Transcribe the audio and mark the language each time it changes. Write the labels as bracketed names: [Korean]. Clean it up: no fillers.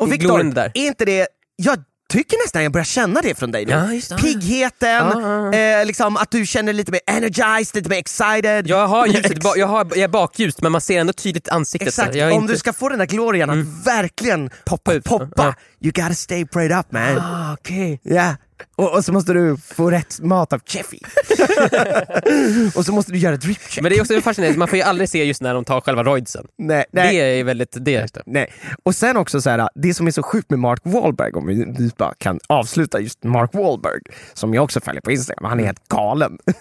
[Swedish] Och Victor, är inte det... Tycker nästan jag börjar känna det från dig nu. Ja, just det. Pigheten, liksom att du känner lite mer [English] energized, [Swedish] lite mer [English] excited. [Swedish] Jag är bakljust, men man ser ändå tydligt ansiktet. Exakt, jag är inte... du ska få den där glorian att verkligen poppa ut. [English] Poppa, you gotta stay prayed up, man. [Swedish] Ah, okej. [English] Okay. Yeah. [Swedish] Och så måste du få rätt mat av Chefy. Och så måste du göra drip check. Men det är också fascinerande, man får ju aldrig se just när de tar själva roidsen. Nej. Det är väldigt det. Nej. Och sen också så här, det som är så sjukt med Mark Wahlberg, om vi bara kan avsluta just Mark Wahlberg, som jag också följer på Instagram, han är helt galen.